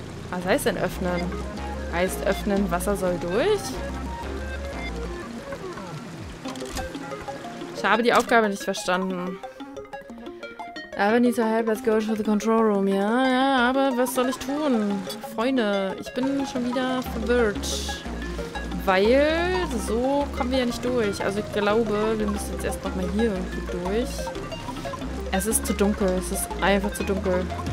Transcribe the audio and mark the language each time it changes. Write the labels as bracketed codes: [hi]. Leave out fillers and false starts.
[de] Was heißt denn öffnen? Heißt öffnen, Wasser soll durch? Ich habe die Aufgabe nicht verstanden. [en] I need to help, let's go to the control room. [de] Ja, ja, aber was soll ich tun? Freunde, ich bin schon wieder verwirrt. Weil so kommen wir ja nicht durch. Also ich glaube, wir müssen jetzt erst nochmal hier irgendwie durch. Es ist zu dunkel. Es ist einfach zu dunkel.